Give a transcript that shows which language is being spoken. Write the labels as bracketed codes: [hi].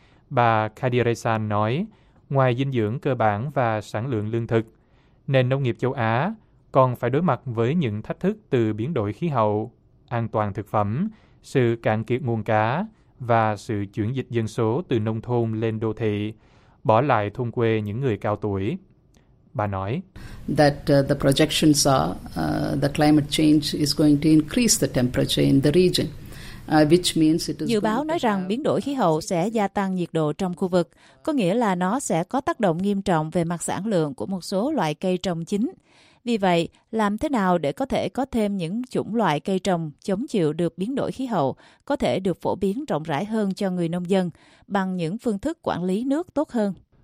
[vi] Bà Kadiresan nói, ngoài dinh dưỡng cơ bản và sản lượng lương thực, nền nông nghiệp châu Á còn phải đối mặt với những thách thức từ biến đổi khí hậu, an toàn thực phẩm, sự cạn kiệt nguồn cá và sự chuyển dịch dân số từ nông thôn lên đô thị, bỏ lại thôn quê những người cao tuổi. Bà nói, [en] that the projections are the climate change is going to increase the temperature in the region. [vi] Dự báo nói rằng biến đổi khí hậu sẽ gia tăng nhiệt độ trong khu vực, có nghĩa là nó sẽ có tác động nghiêm trọng về mặt sản lượng của một số loại cây trồng chính. Vì vậy, làm thế nào để có thể có thêm những chủng loại cây trồng chống chịu được biến đổi khí hậu có thể được phổ biến rộng rãi hơn cho người nông dân bằng những phương thức quản lý nước tốt hơn?